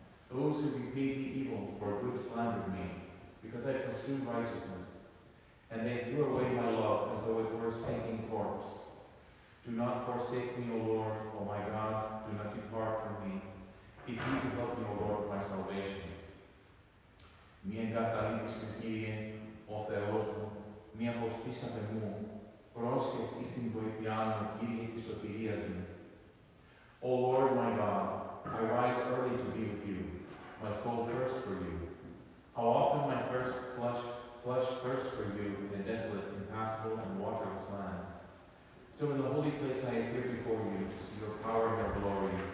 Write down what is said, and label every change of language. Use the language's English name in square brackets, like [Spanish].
[English] Those who repay me evil for good slander me, because I pursue righteousness. And they threw away my love as though it were a stinking corpse. Do not forsake me, O Lord, O my God, do not depart from me. If you can help me, O Lord, for my salvation. [Greek] Μη εγκαταλείψε, Κύριε, ο Θεός μου, μη αποσπίσατε μου, πρόσχες εις την βοήθειά μου, Κύριε, της σωτηρίας μου. [English] O Lord, my God, I rise early to be with you, my soul thirsts for you. How often my flesh thirsts for you in a desolate, impassable, and waterless land. So in the holy place I appear before you to see your power and your glory.